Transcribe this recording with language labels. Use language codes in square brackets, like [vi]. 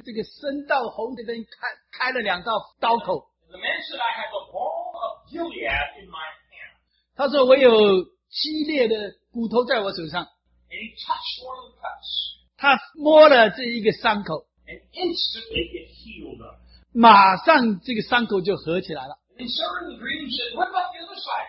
[zh] 那个人他在这个声道喉这边开了两道刀口。 [en] The man said, I have the balm of Gilead in my hand. [zh] 他说我有激烈的骨头在我手上。 [en] And he touched one of the cuts. [zh] 他摸了这一个伤口。 [en] And instantly it healed up. [zh] 马上这个伤口就合起来了。 [en] And Sarah in the dream said, what about the other side?